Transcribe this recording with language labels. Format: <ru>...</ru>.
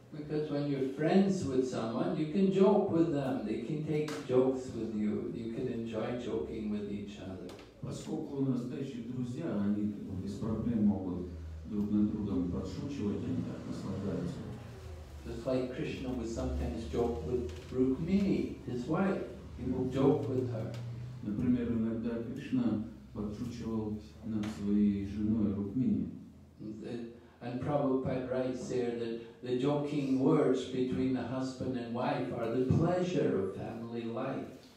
<en>Because when you're friends with someone, you can joke with them, they can take jokes with you, you can enjoy joking with each other.</en> <ru>Поскольку настоящие друзья, они без проблем могут друг над другом подшучивать, они так наслаждаются.</ru> <en>Just like Krishna would sometimes joke with Rukmini, his wife, he would joke with her.</en> <ru>Например, иногда Кришна подшучивал над своей женой Рукмини.</ru> <en>And Prabhupada writes there that the joking words between the husband and wife are the pleasure of family life.</en>